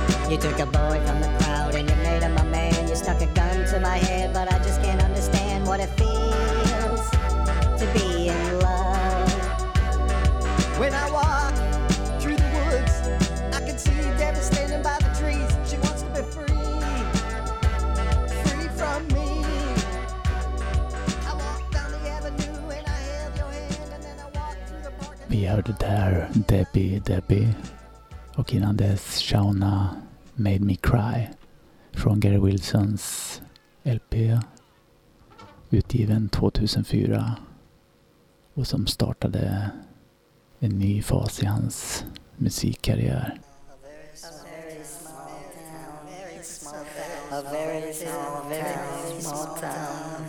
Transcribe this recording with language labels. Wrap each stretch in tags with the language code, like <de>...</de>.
<en>You took a boy from the crowd and you made him a man. You stuck a gun to my head, but I just can't understand what it feels to be in love. When I walk through the woods, I can see Debbie standing by the trees. She wants to be free, free from me. I walk down the avenue and I held your hand, and then I walked through the park.</en> <sv>Vi hörde där Debbie, Debbie. Och innan dess Shauna, Made Me Cry, från Gary Wilsons LP, utgiven 2004, och som startade en ny fas i hans musikkarriär.</sv> <en>A very small, very small town.</en>